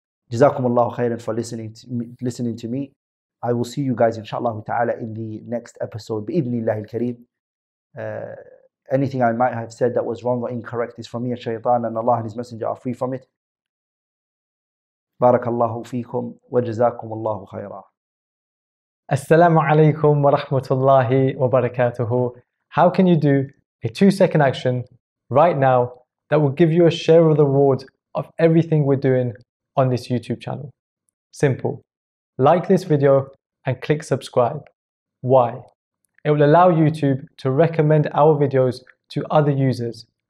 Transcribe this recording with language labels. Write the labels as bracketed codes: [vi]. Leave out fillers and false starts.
[ar] جزاكم الله خيرا [en] for listening to me. I will see you guys inshallah ta'ala in the next episode [ar] بإذن الله الكريم. [en] Anything I might have said that was wrong or incorrect is from me and Shaytan, and Allah and His Messenger are free from it. [ar] بارك الله فيكم وجزاكم الله خيرا. السلام عليكم ورحمة الله وبركاته. [en] How can you do a 2-second action right now that will give you a share of the reward of everything we're doing on this YouTube channel? Simple. Like this video and click subscribe. Why? It will allow YouTube to recommend our videos to other users.